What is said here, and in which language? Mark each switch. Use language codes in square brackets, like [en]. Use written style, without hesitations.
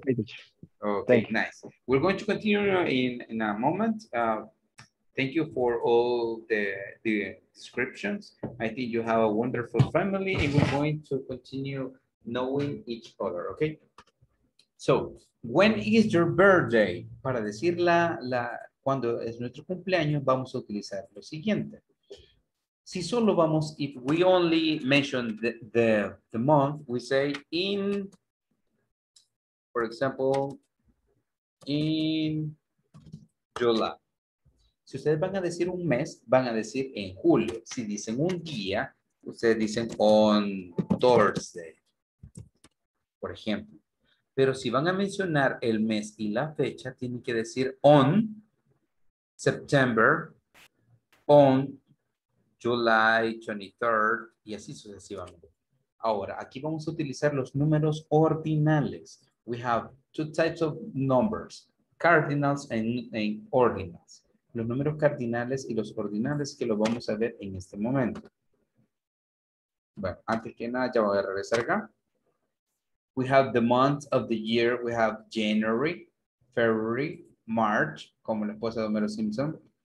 [en] Thank you. Okay, nice. We're going to continue in a moment. Thank you for all the descriptions. I think you have a wonderful family, and we're going to continue knowing each other, okay? So, when is your birthday? [es] Para decir cuando es nuestro cumpleaños, vamos a utilizar lo siguiente. Si solo vamos, [en] if we only mention the month, we say in, for example, in July. [es] Si ustedes van a decir un mes, van a decir en julio. Si dicen un día, ustedes dicen [en] on Thursday, [es] por ejemplo. Pero si van a mencionar el mes y la fecha, tienen que decir [en] on September, on July 23rd, [es] y así sucesivamente. Ahora, aquí vamos a utilizar los números ordinales. [en] We have two types of numbers, cardinals and ordinals. [es] Los números cardinales y los ordinales que los vamos a ver en este momento. Bueno, antes que nada, ya voy a regresar acá. [en] We have the month of the year. We have January, February, March, [es] como la esposa de [en] Homero Simpson.